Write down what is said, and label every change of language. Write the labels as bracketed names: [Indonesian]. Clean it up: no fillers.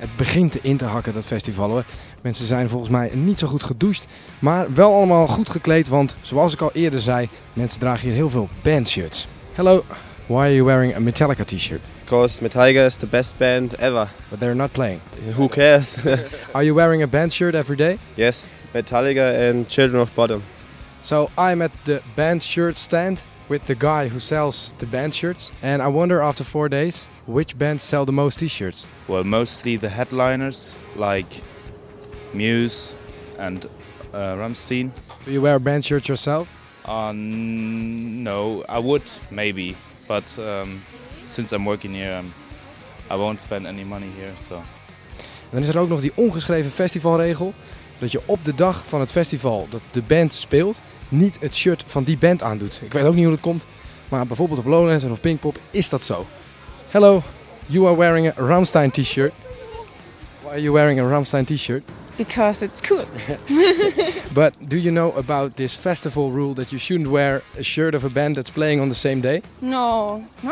[Dutch] Het begint in te hakken, dat festival, hoor. Mensen zijn volgens mij niet zo goed gedoucht, maar wel allemaal goed gekleed, want zoals ik al eerder zei, mensen dragen hier heel veel bandshirts. [English] Hello, why are you wearing a Metallica t-shirt? Because Metallica is the best band ever. But they're not playing. Who cares? Are you wearing a band shirt every day? Yes, Metallica and Children of Bodom. So I'm at the band shirt stand with the guy who sells the band shirts. And I wonder after 4 days, which bands sell the most t-shirts? Well, mostly the headliners like Muse and Rammstein. Do you wear a band shirt yourself? No, I would maybe, but since I'm working here, I won't spend any money here, so. [Dutch] En dan is er ook nog die ongeschreven festivalregel, dat je op de dag van het festival dat de band speelt, niet het shirt van die band aandoet. Ik weet ook niet hoe dat komt, maar bijvoorbeeld op Lowlands en op Pinkpop is dat zo. [English] Hello, you are wearing a Rammstein t-shirt. Why are you wearing a Rammstein t-shirt? Because it's cool. But do you know about this festival rule that you shouldn't wear a shirt of a band that's playing on the same day? No.